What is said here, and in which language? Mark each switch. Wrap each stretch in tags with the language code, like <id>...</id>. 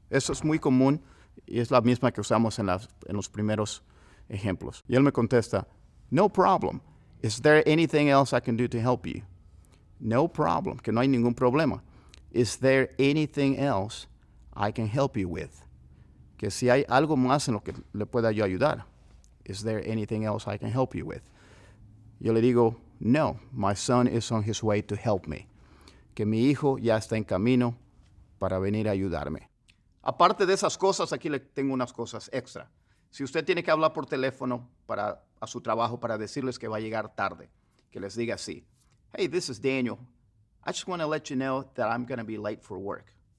<es>Eso es muy común y es la misma que usamos en los primeros ejemplos. Y él me contesta,</es> <en>no problem. Is there anything else I can do to help you? No problem.</en> <es>Que no hay ningún problema.</es> <en>Is there anything else I can help you with?</en> <es>Que si hay algo más en lo que le pueda yo ayudar.</es> <en>Is there anything else I can help you with?</en> <es>Yo le digo, no.</es> <en>My son is on his way to help me.</en> <es>Que mi hijo ya está en camino para venir a ayudarme. Aparte de esas cosas, aquí le tengo unas cosas extra. Si usted tiene que hablar por teléfono para, a su trabajo para decirles que va a llegar tarde, que les diga así.</es> <en>Hey, this is Daniel. I just want to let you know that I'm going to be late for work.</en>